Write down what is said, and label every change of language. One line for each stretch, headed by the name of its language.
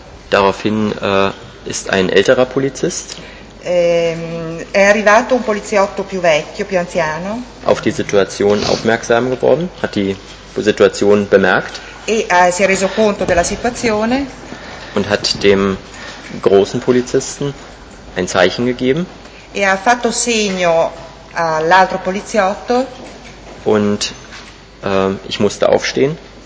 German: Daraufhin ist ein älterer Polizist
Italian: è arrivato un poliziotto più vecchio, più anziano,
German: auf die Situation aufmerksam geworden, hat die Situation bemerkt
Italian: e si è reso conto della situazione
German: und hat dem großen Polizisten ein Zeichen gegeben
Italian: e ha fatto segno all'altro poliziotto
German: und ich musste aufstehen.